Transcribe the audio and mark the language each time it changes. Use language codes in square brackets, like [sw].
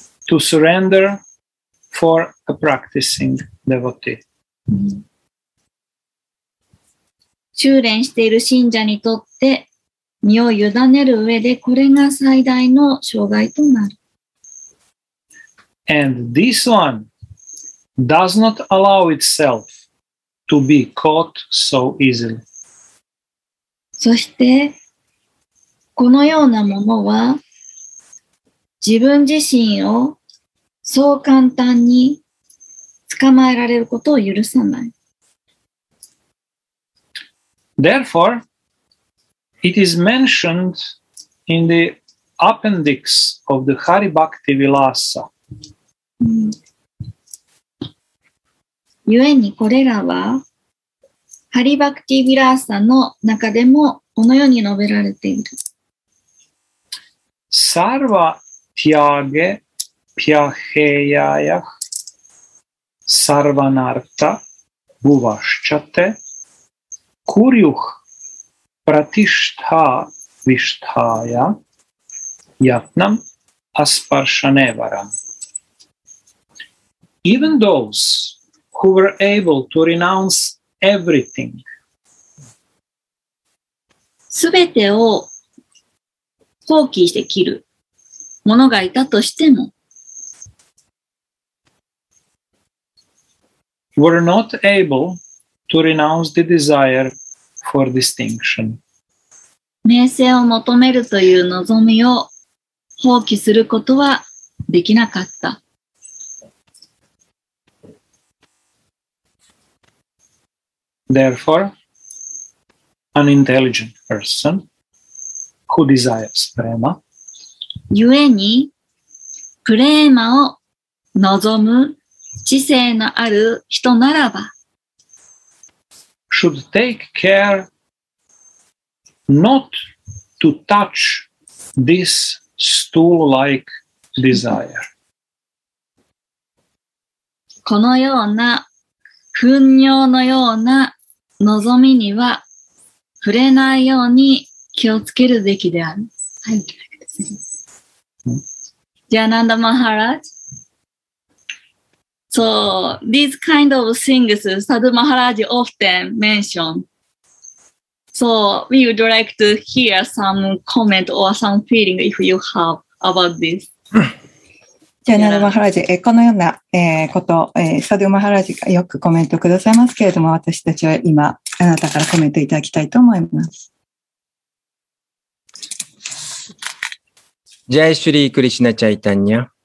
[en] To surrender for a practicing devotee. [ja] 修練している信者にとって身を委ねる上でこれが最大の障害となる。 [en] And this one does not allow itself to to be caught so easily. [ja] そしてこのようなものは自分自身をそう簡単に捕まえられることを許さない。 [en] Therefore, it is mentioned in the appendix of the Hari Bhakti Vilasa. [ja] ゆえにこれらは、ハリバクティ・ヴィラーサの中でもこのように述べられている。 [sa] サルヴァ・ティアゲ・ピアヘイヤーヤッ、サルヴァ・ナルタ・ブヴァシチャテ、クリュッ・プラティシュタ・ヴィシュタヤ、ヤトナム・アスパルシャネヴァラン。 [en] Even those who were able to renounce everything. [ja] すべてを放棄して切る者がいたとしても、 [en] were not able to renounce the desire for distinction. [ja] 名声を求めるという望みを放棄することはできなかった。 [en] Therefore, an intelligent person who desires prema, [ja] ゆえに、プレーマを望む知性のある人ならば、 [en] should take care not to touch this stool-like desire. [ja] このような、糞尿のような望みには触れないように気をつけるべきである。はい。じゃあ、ナンダ・マハラジ。 [en] So, these kind of things, Sadhu Maharaj often mentioned. So, we would like to hear some comment or some feeling if you have about this. [ja] ジャナル・マハラジ、このような、こと、サドゥ・マハラジがよくコメントくださいますけれども、私たちは今、あなたからコメントいただきたいと思います。 [sa] ジャイ・シュリー・クリシナ・チャイタンニャ。